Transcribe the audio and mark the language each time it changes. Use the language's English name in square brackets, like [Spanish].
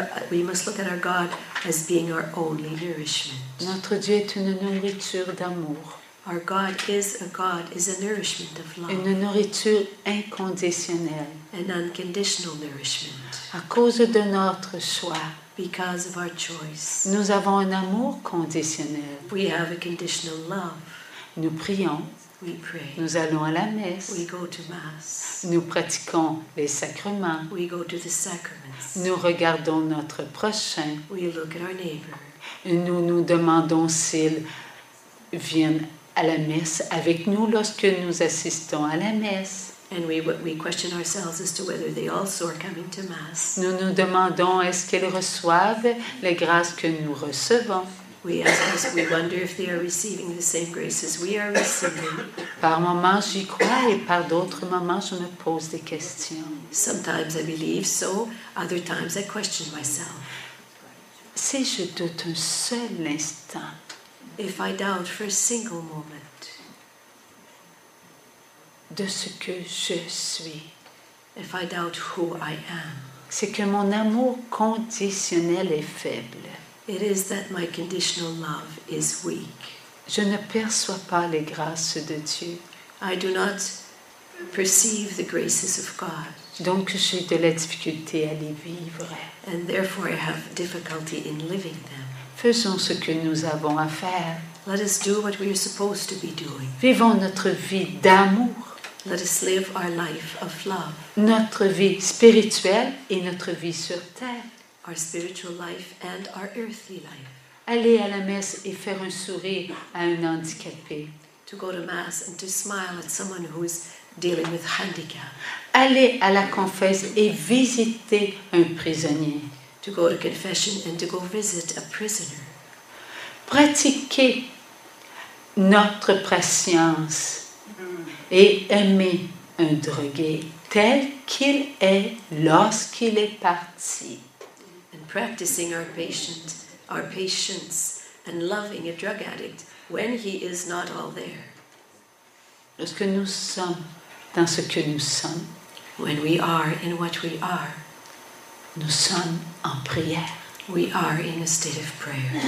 [English] We must look at our God as being our only nourishment. [French] Notre Dieu est une nourriture d'amour. [English] Our God is a God, is a nourishment of love. [French] Une nourriture inconditionnelle. [English] An unconditional nourishment. [French] À cause de notre choix, [English] because of our choice, [French] nous avons un amour conditionnel. [English] We have a conditional love. [French] Nous prions. [English] We pray. [French] Nous allons à la messe. [English] We go to mass. [French] Nous pratiquons les sacrements. [English] We go to the sacraments. [French] Nous regardons notre prochain. [English] We look at our neighbor. [French] Nous nous demandons s'ils viennent à la messe avec nous lorsque nous assistons à la messe. [English] And we question ourselves as to whether they also are coming to mass. [French] Nous nous demandons est-ce qu'ils reçoivent les grâces que nous recevons. [English] We wonder if they are receiving the same graces we are receiving. [French] Par moments j'y crois et par d'autres moments je me pose des questions. [English] Sometimes I believe so, other times I question myself. [French] Si je doute un seul instant, [English] if I doubt for a single moment, [French] de ce que je suis, [English] if I doubt who I am, [French] c'est que mon amour conditionnel est faible. [English] It is that my conditional love is weak. [French] Je ne perçois pas les grâces de Dieu. [English] I do not perceive the graces of God. [French] Donc j'ai de la difficulté à les vivre. [English] And therefore I have difficulty in living them. [French] Faisons ce que nous avons à faire. [English] Let us do what we are supposed to be doing. [French] Vivons notre vie d'amour. [English] Let us live our life of love. [French] Notre vie spirituelle et notre vie sur terre. [English] our spiritual life and our earthly life. [French] Aller à la messe et faire un sourire à un handicapé. [English] To go to mass and to smile at someone who is dealing with handicap. [French] Aller à la confesse et visiter un prisonnier. [English] To go to confession and to go visit a prisoner. [French] Pratiquer notre patience et aimer un drogué tel qu'il est lorsqu'il est parti. [English] And practicing our patience and loving a drug addict when he is not all there. [French] Lorsque nous sommes dans ce que nous sommes, [English] when we are in what we are, [French] nous sommes en prière. [English] We are in a state of prayer.